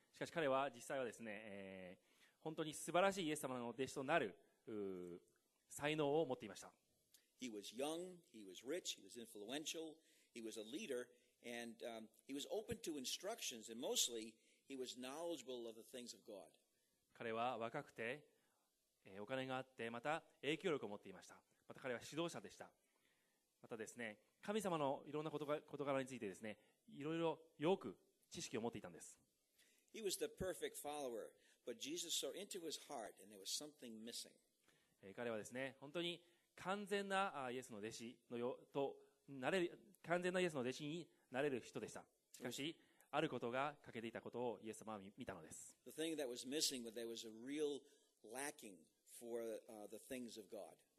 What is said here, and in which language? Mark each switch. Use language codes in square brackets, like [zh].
[ja] しかし彼は実際はですね、本当に素晴らしいイエス様の弟子となる才能を持っていました。 [en] He was young, he was rich, he was influential, he was a leader, and he was open to instructions, and mostly he was knowledgeable of the things of God. [ja] 彼は若くて、お金があって、また影響力を持っていました。また彼は指導者でした。またですね、神様のいろんな事柄についてですね、いろいろよく知識を持っていたんです。 [en] He was the perfect follower, but Jesus saw into his heart and there was something missing. [ja] 彼はですね、本当に完全なイエスの弟子のよとなれる完全なイエスの弟子になれる人でした。しかし、あることが欠けていたことをイエス様は見たのです。 [en] The thing that was missing was there was a real lacking for the things of God.